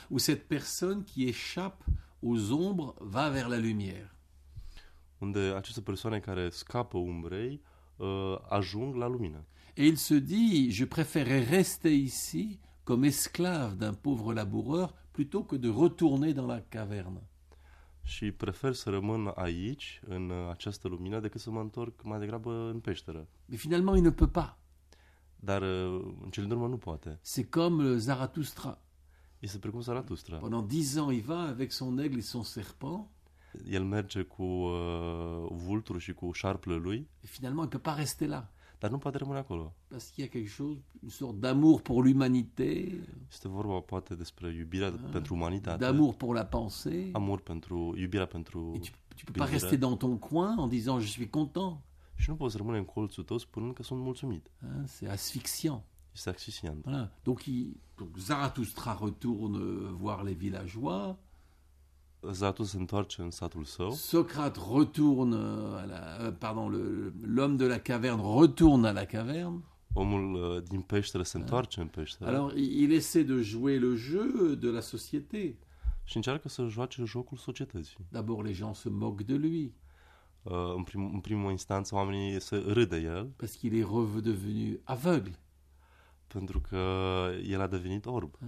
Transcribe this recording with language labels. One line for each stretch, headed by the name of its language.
French: Où cette personne qui échappe aux ombres va vers la lumière.
Romanian: Unde această persoană care scapă umbrei ajung la lumină.
French: Et il se dit, je préférerais rester ici comme esclave d'un pauvre laboureur plutôt que de retourner dans la caverne.
Romanian: Și prefer să rămân aici, în această lumină, decât să mă întorc mai degrabă în peșteră.
French: Mais finalement, il ne peut pas.
Romanian: Dar, în cele din urmă, nu poate.
French: C'est comme Zarathustra.
Romanian: Este precum Zarathustra.
French: Pendant 10 ans, il va avec son aigle et son serpent.
Romanian: El merge cu vulturul și cu șarpele lui.
French: Et finalement, il ne peut pas rester là.
Romanian: Dar nu poate rămâne acolo.
French: Parce qu'il y a quelque chose, une sorte d'amour pour l'humanité.
Romanian: Este vorba poate despre iubirea pentru umanitate.
French: D'amour pour la pensée.
Romanian: Amor pentru iubirea pentru.
French: Et tu ne peux pas rester dans ton coin en disant je suis content.
Romanian: Și nu poți rămâne în colțul tău spunând că sunt mulțumit.
French: C'est asphyxiant.
Romanian: Este asfixiant.
French: Voilà. Donc, Zarathustra retourne voir les villageois.
Romanian: Zarathustra se întoarce în satul său.
French: Socrate retourne à la, pardon, l'homme de la caverne retourne à la caverne.
Romanian: Omul din peșteră se întoarce în peșteră.
French: Alors il essaie de jouer le jeu de la société.
Romanian: Și încearcă să joace jocul societății.
French: D'abord les gens se moquent de lui.
Romanian: În primă instanță oamenii se râd de el.
French: Parce qu'il est redevenu aveugle.
Romanian: Pentru că el a devenit orb.